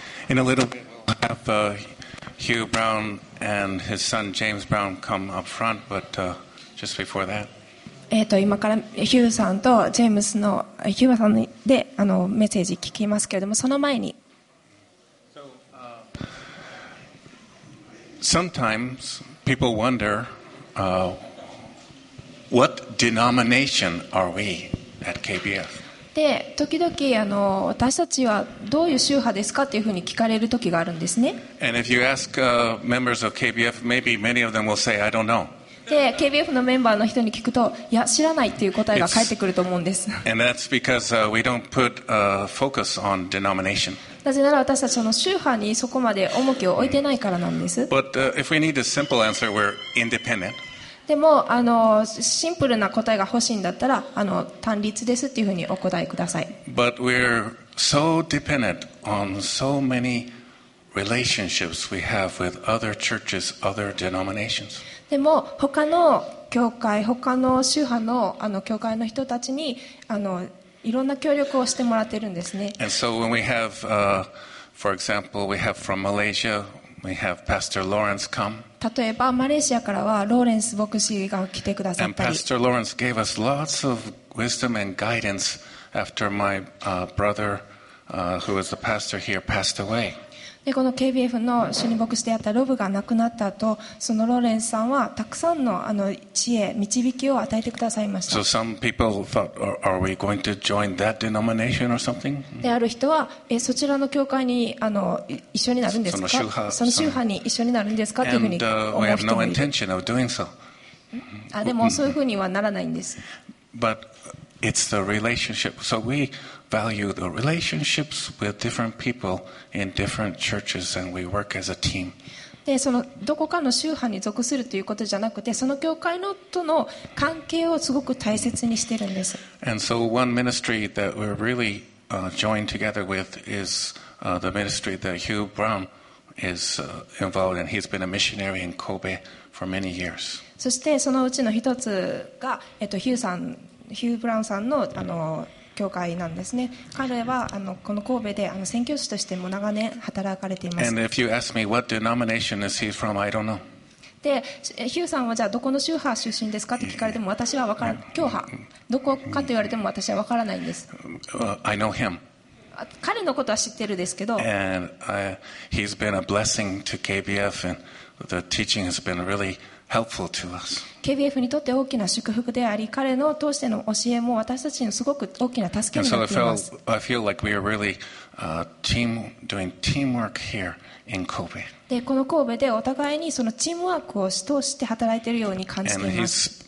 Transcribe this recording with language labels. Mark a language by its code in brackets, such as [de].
[en] In a little bit, we'll have Hugh Brown and his son James Brown come up front, but just before that. [ja] 今からヒューさんとジェームスのヒューさんでメッセージ聞きますけれども、その前に。 [en] Sometimes people wonder, what denomination are we at KBF? [ja] で、時々私たちはどういう宗派ですかっていうふうに聞かれる時があるんですね。 [en] And if you ask members of KBF, maybe many of them will say, I don't know. [ja] で、KBF のメンバーの人に聞くと、いや、知らないっていう答えが返ってくると思うんです。 [en] And that's because we don't put focus on denomination. [ja] なぜなら私たちの宗派にそこまで重きを置いてないからなんです。 [en] But, if we need a simple answer, we're independent. [ja] でもシンプルな答えが欲しいんだったら単立ですっていうふうにお答えください。 [en] But we're so dependent on so many relationships we have with other churches, other denominations. [ja] でも他の教会、他の宗派の教会の人たちにいろんな協力をしてもらってるんですね。 [en] And so when we have, for example, we have from Malaysia, we have Pastor Lawrence come. [ja] 例えばマレーシアからはローレンス牧師が来てくださったり。 [en] And Pastor Lawrence gave us lots of wisdom and guidance after my brother, who was the pastor here, passed away. [ja] でこの KBF の主任牧師であったロブが亡くなった後、そのローレンスさんはたくさんの知恵、導きを与えてくださいました。 [en] So some people thought, are we going to join that denomination or something? [ja] である人は、そちらの教会に一緒になるんですか？その宗派に一緒になるんですか？というふうに思う人もいる。 [en] And we have no intention of doing so. [ja] でもそういうふうにはならないんです。 [en] But it's the relationship. So we value the relationships with different people in different churches, and we work as a team. [ja] で、そのどこかの宗派に属するということじゃなくて、その教会のとの関係をすごく大切にしてるんです。 [en] And so one ministry that we're really joined together with is the ministry that Hugh Brown is involved in. He's been a missionary in Kobe for many years. [ja] そしてそのうちの一つが、ヒューブラウンさんの教会なんですね。彼はこの神戸で宣教師としても長年働かれています。 [en] And if you ask me what denomination is he from, I don't know. [ja] で、ヒューさんはじゃあどこの宗派出身ですかって聞かれても私は分からない。教派どこかと言われても私は分からないんです。 [en] I know him. [ja] 彼のことは知ってるですけど。 [en] And he's been a blessing to KBF, and the teaching has been really. Helpful to us. [ja] KBF にとって大きな祝福であり、彼の通しての教えも私たちにすごく大きな助けになっています。 [en] I feel like we are really doing teamwork here in Kobe. [ja] で、この神戸でお互いにそのチームワークを通して働いているように感じています。